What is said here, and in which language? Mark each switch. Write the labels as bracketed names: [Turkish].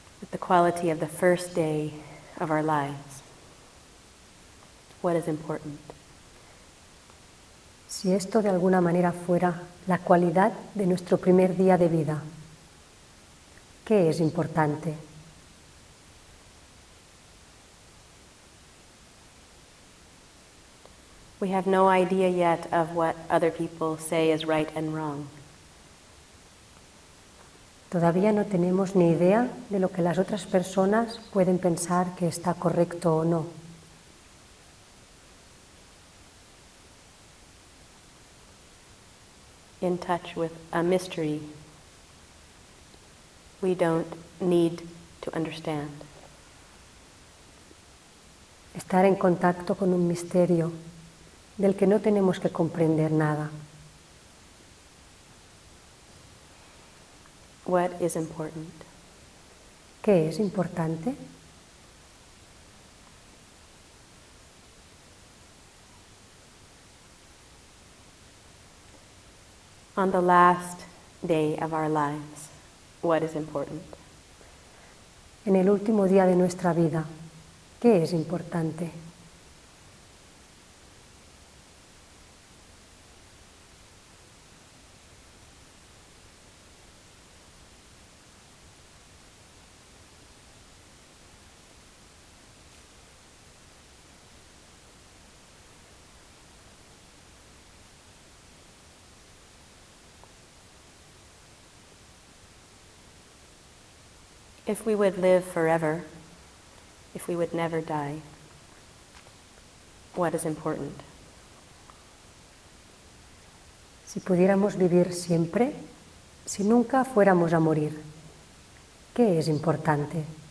[English] the quality of the first day of our lives. What is important? [Spanish] Si esto de alguna manera fuera la cualidad de nuestro primer día de vida, ¿qué es importante? [English] We have no idea yet of what other people say is right and wrong. [Spanish] Todavía no tenemos ni idea de lo que las otras personas pueden pensar que está correcto o no. [English] In touch with a mystery we don't need to understand. [Spanish] Estar en contacto con un misterio del que no tenemos que comprender nada. [English] What is important? [Spanish] ¿Qué es importante? [English] On the last day of our lives, what is important? [Spanish] En el último día de nuestra vida, ¿qué es importante? [English] If we would live forever, if we would never die, what is important? [Spanish] Si pudiéramos vivir siempre, si nunca fuéramos a morir, ¿qué es importante?